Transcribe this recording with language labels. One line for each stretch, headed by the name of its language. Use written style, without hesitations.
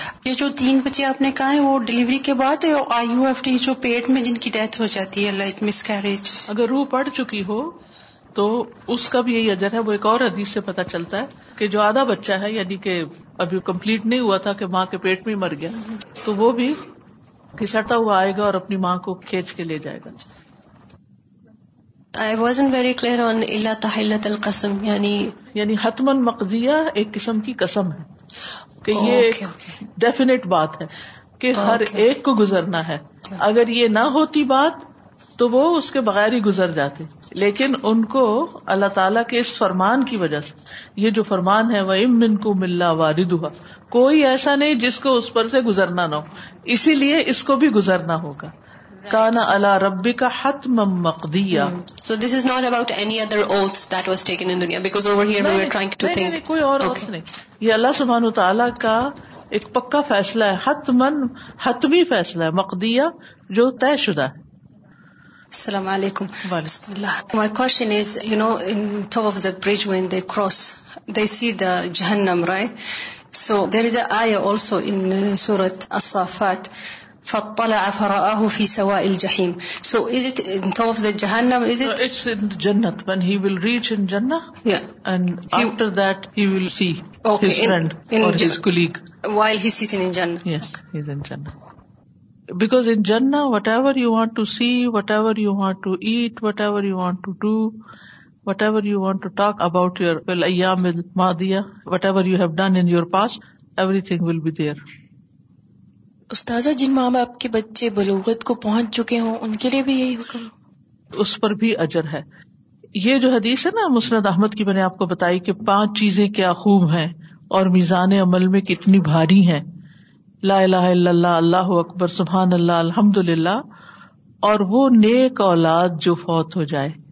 Urdu: یہ جو تین بچے آپ نے کہا ہے وہ ڈلیوری کے بعد آئی یو ایف ٹی جو پیٹ میں جن کی ڈیتھ ہو جاتی ہے، لائک مس کیریج، اگر روح پڑ چکی ہو تو اس کا بھی یہی اجر ہے. وہ ایک اور حدیث سے پتہ چلتا ہے کہ جو آدھا بچہ ہے، یعنی کہ ابھی کمپلیٹ نہیں ہوا تھا کہ ماں کے پیٹ میں ہی مر گیا، تو وہ بھی کھسڑتا ہوا آئے گا اور اپنی ماں کو کھینچ کے لے جائے گا.
English: I wasn't very clear on
Arabic: illa tahillat al-qasam,
Urdu: یعنی حتمن مقضیہ ایک قسم کی قسم ہے کہ یہ ڈیفینیٹ بات ہے کہ ہر ایک کو گزرنا ہے. اگر یہ نہ ہوتی بات تو وہ اس کے بغیر ہی گزر جاتے، لیکن ان کو اللہ تعالیٰ کے اس فرمان کی وجہ سے، یہ جو فرمان ہے
Arabic: وَإِن مِّنكُم مِّن لَّا وَارِدُهَا،
Urdu: کوئی ایسا نہیں جس کو اس پر سے گزرنا نہ ہو، اسی لیے اس کو بھی گزرنا ہوگا.
Arabic: کانا علی ربک حتما مقضیا،
English: so this is not about any other oaths that was taken in دنیا، because over here we were trying to think,
Urdu: کوئی اور اوتھ نہیں، یہ اللہ سبحانہ وتعالیٰ کا ایک پکا فیصلہ ہے، حتمن حتمی فیصلہ ہے، مقضیا جو طے شدہ ہے. السلام علیکم. وعلیکم اللہ.
English: my question is, you know in top of the bridge when they cross they see the جہنم right, so there is a آیہ also in سورۃ الصافات،
Arabic: فطلع فرآه في سواء الجحيم،
English: so is it in top of the Jahannam, is it? No, it's in Jannat, when he will reach in Jannah, yeah. And after that he will see his friend his colleague. While he's sitting in Jannah. Yes, he's in Jannah. Because in Jannah, whatever you want to see, whatever you want to eat, whatever you want to do, whatever you want to talk about your ayyam al-madiya, whatever you have done in your past, everything will be there.
Urdu: استاذہ، جن ماں باپ کے بچے بلوغت کو پہنچ چکے ہوں ان کے لیے بھی یہی حکم؟ اس پر بھی اجر ہے. یہ جو حدیث ہے نا مسند احمد کی، میں نے آپ کو بتائی کہ پانچ چیزیں کیا خوب ہیں اور میزان عمل میں کتنی بھاری ہیں، لا الہ الا اللہ، اللہ اکبر، سبحان اللہ، الحمدللہ، اور وہ نیک اولاد جو فوت ہو جائے.